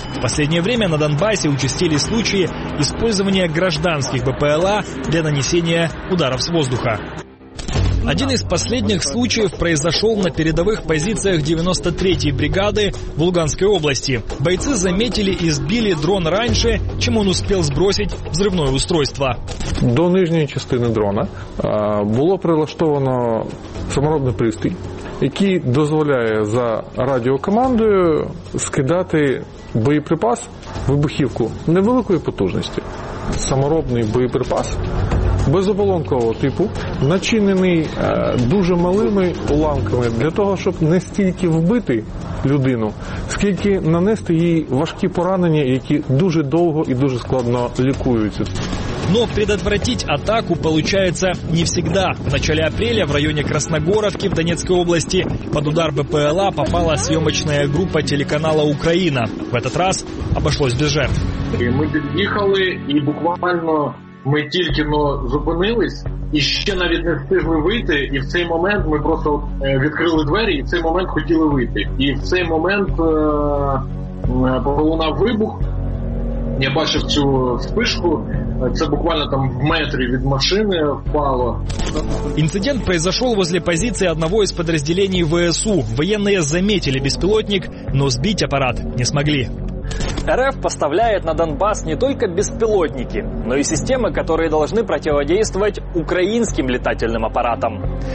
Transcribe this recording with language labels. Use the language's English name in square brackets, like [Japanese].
[Russian] В последнее время на Донбассе участились случаи использования гражданских БПЛА для нанесения ударов с воздуха. Один из последних случаев произошел на передовых позициях 93-й бригады в Луганской области. Бойцы заметили и сбили дрон раньше, чем он успел сбросить взрывное устройство. [Ukrainian] До нижньої частини дрона було прилаштовано самородний пристрій, який дозволяє за радіокомандою скидати боєприпас, вибухівку невеликої потужності. Саморобний боєприпас безоболонкового типу, начинений дуже малими уламками для того, щоб не стільки вбити людину, скільки нанести їй важкі поранення, які дуже довго і дуже складно лікуються. [Russian] Но предотвратить атаку получается не всегда. В начале апреля в районе Красногоровки в Донецкой области под удар БПЛА попала съемочная группа телеканала «Украина». В этот раз обошлось без жертв. Мы подъехали и буквально мы только-но [Ukrainian] зупинились, [Russian] и еще даже не [Ukrainian] встигли [Russian] выйти. И [Ukrainian] в цей момент [Russian] мы просто открыли двери, и в цей момент хотели выйти. [Ukrainian] И в цей момент пролунав вибух. Я бачив цю [Russian] вспышку, [Ukrainian] це буквально там в метрі від машини впало. [Russian] Інцидент произошел возле позиции одного из подразделений ВСУ. Военные заметили беспилотник, но сбить аппарат не смогли. РФ поставляет на Донбасс не только беспилотники, но и системы, которые должны противодействовать украинским летательным аппаратам.